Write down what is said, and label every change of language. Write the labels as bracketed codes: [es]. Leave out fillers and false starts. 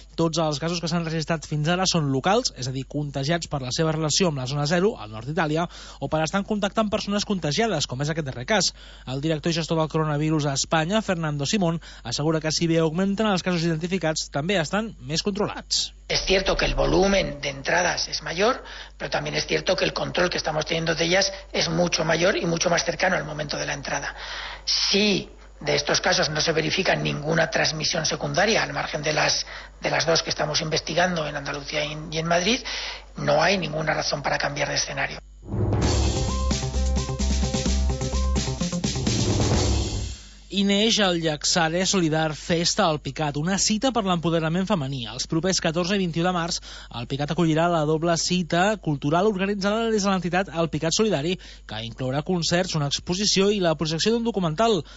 [ca] Tots els casos que s'han registrat fins ara són locals, és a dir, contagiats per la seva relació amb la zona zero, al nord d'Itàlia, o per estar en contacte amb persones contagiades, com és aquest darrer cas. El director i gestor del coronavirus a Espanya, Fernando Simón, assegura que si bé augmenten els casos identificats, també estan més controlats. [es] Es cierto que el volumen de entradas es mayor, pero también es cierto que el control que estamos teniendo de ellas es mucho mayor y mucho más cercano al momento de la entrada. Si de estos casos no se verifica ninguna transmisión secundaria, al margen de las dos que estamos investigando en Andalucía y en Madrid, no hay ninguna razón para cambiar de escenario. [ca] I neix el Llaxare Solidar Festa al Picat, una cita per l'empoderament femení. Els propers 14 i 21 de març, el Picat acollirà la doble cita cultural organitzada des de l'entitat El Picat Solidari, que inclourà concerts, una exposició i la projecció d'un documental.